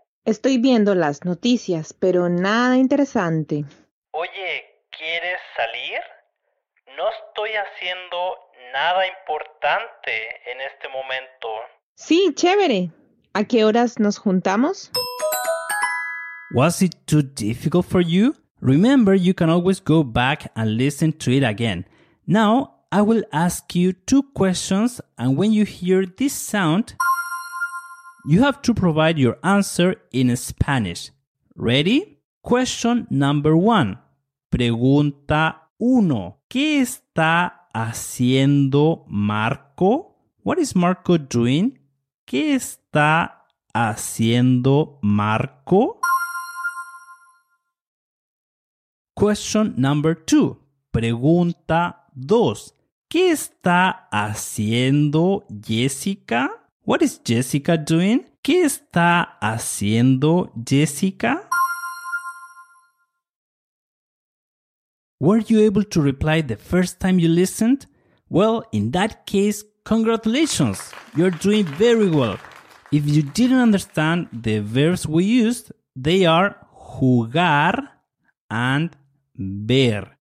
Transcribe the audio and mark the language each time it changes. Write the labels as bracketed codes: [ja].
[es] Estoy viendo las noticias, pero nada interesante. Oye, ¿quieres salir? No estoy haciendo nada importante en este momento. Sí, chévere. ¿A qué horas nos juntamos? [en] Was it too difficult for you? Remember, you can always go back and listen to it again. Now, I will ask you two questions, and when you hear this sound, you have to provide your answer in Spanish. Ready? Question number one. [es] Pregunta uno. ¿Qué está haciendo Marco? [en] What is Marco doing? [es] ¿Qué está haciendo Marco? [en] Question number two. [es] Pregunta dos. ¿Qué está haciendo Jessica? [en] What is Jessica doing? [es] ¿Qué está haciendo Jessica? [en] Were you able to reply the first time you listened? Well, in that case, congratulations! You're doing very well. If you didn't understand the verbs we used, they are jugar and ver.